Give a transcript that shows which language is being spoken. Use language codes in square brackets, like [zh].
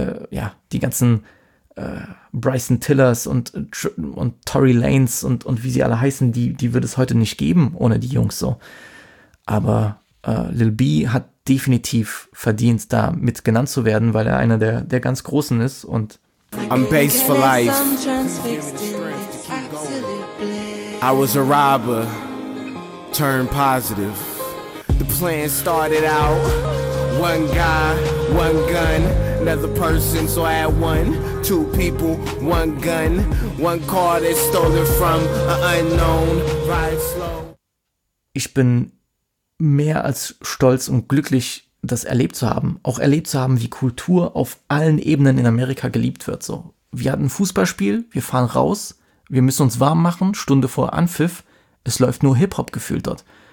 [de] ja, die ganzen Bryson Tillers und Tory Lanez und wie sie alle heißen, die würde es heute nicht geben, ohne die Jungs so. Aber Lil B hat definitiv verdient, da mit genannt zu werden, weil er einer der ganz Großen ist und [en] I'm based for life. I was a robber, turned positive. The plan started out, one guy, one gun, another person, so I had one, two people, one gun, one car that stolen from an unknown, ride slow. [de] Ich bin mehr als stolz und glücklich, das erlebt zu haben, auch erlebt zu haben, wie Kultur auf allen Ebenen in Amerika geliebt wird. So, wir hatten ein Fußballspiel, wir fahren raus, wir müssen uns warm machen, Stunde vor Anpfiff, es läuft nur Hip-Hop gefühlt dort.